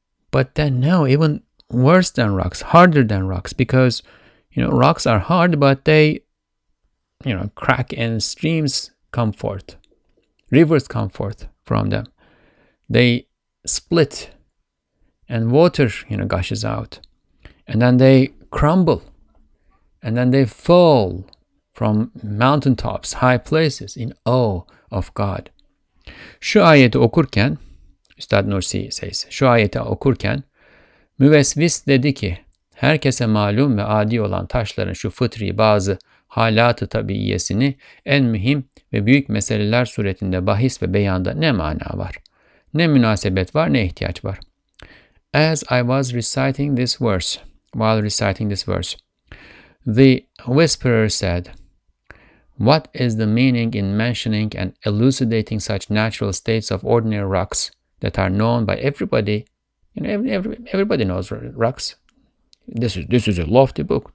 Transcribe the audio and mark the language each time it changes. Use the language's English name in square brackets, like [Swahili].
[English] But then no, even worse than rocks, harder than rocks, because, you know, rocks are hard, but they, you know, crack and streams come forth, rivers come forth from them. They split and water, you know, gushes out. And then they crumble. And then they fall from mountaintops, high places, in awe of God. [Turkish] Şu ayeti okurken, [English] Üstad Nursi says, [Turkish] şu ayeti okurken, müvesvis dedi ki, herkese malum ve adi olan taşların şu fıtri bazı halat-ı tabiiyesini en mühim ve büyük meseleler suretinde bahis ve beyanda ne mana var? Ne münasebet var, ne ihtiyaç var? [English] As I was reciting this verse, while reciting this verse, the whisperer said, what is the meaning in mentioning and elucidating such natural states of ordinary rocks that are known by everybody? You know, everybody knows rocks. This is a lofty book.